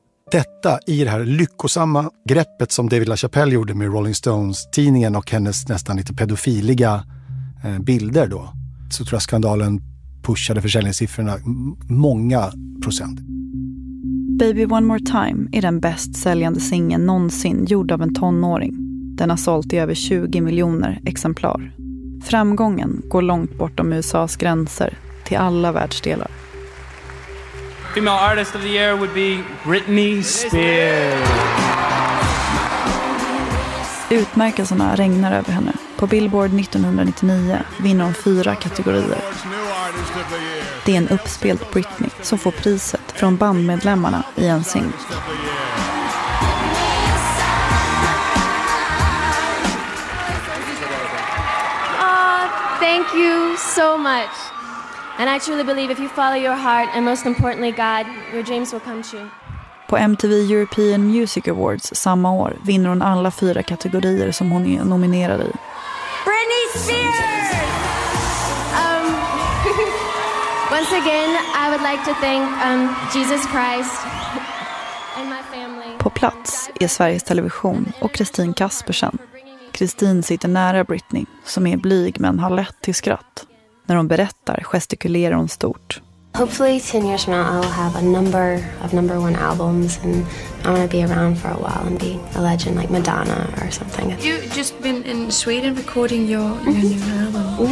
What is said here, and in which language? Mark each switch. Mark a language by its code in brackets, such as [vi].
[sv] Detta i det här lyckosamma greppet som David LaChapelle gjorde med Rolling Stones-tidningen och hennes nästan lite pedofiliga bilder då, så tror jag skandalen pushade försäljningssiffrorna många procent. Baby One More Time är den bäst säljande singeln någonsin gjord av en tonåring. Den har sålt i över 20 miljoner exemplar. Framgången går långt bortom USAs gränser till alla världsdelar. [en] Female artist of the year would be Britney Spears. [sv] Utmärkelserna regnar över henne. På Billboard 1999 vinner hon 4 kategorier. Det är en uppspelt Britney som får priset från bandmedlemmarna i NSYNC. [en] Thank you so much. And I truly believe if you follow your heart and most importantly God, your dreams will come true. [sv] På MTV European Music Awards samma år vinner hon alla 4 kategorier som hon är nominerad i. [en] Britney Spears! Once again, I would like to thank Jesus Christ and my family. [sv] På plats är Sveriges Television och Kristin Kaspersen. Kristin sitter nära Britney som är blyg men har lätt till skratt. När hon berättar gestikulerar hon stort. [en] Hopefully 10 years from now I'll have a number of number one albums and I'm gonna be around for a while and be a legend like Madonna or something. You just been in Sweden recording your new album.